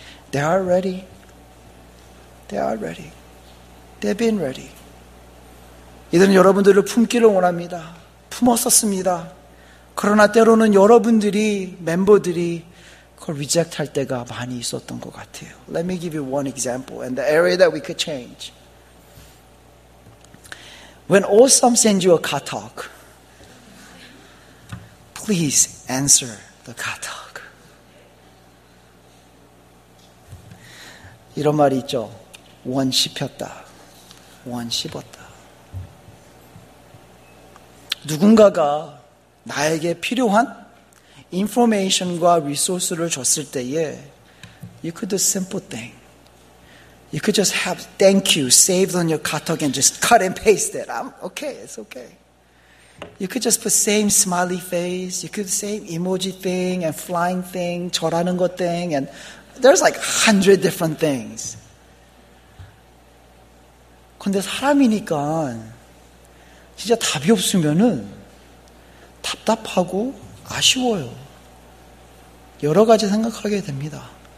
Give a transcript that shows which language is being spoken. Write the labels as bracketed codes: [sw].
[en] They are ready. They are ready. They've been ready. [ko] 이들은 여러분들을 품기를 원합니다. 품었었습니다. 그러나 때로는 여러분들이, 멤버들이 그걸 리젝트할 때가 많이 있었던 것 같아요. [en] Let me give you one example and the area that we could change. When Awesome sends you a car talk, please answer the car talk. [ko] 이런 말이 있죠. 원 씹혔다. 원 씹었다. 누군가가 나에게 필요한 information과 resource를 줬을 때에 [en] you could do simple thing. You could just have thank you saved on your katok and just cut and paste it. I'm okay. It's okay. You could just put same smiley face. You could same emoji thing and flying thing, [ko] 절하는 것 [en] thing. And there's like 100 different things. [ko] 근데 사람이니까 진짜 답이 없으면은 답답하고 아쉬워요. 여러 가지 생각하게 됩니다.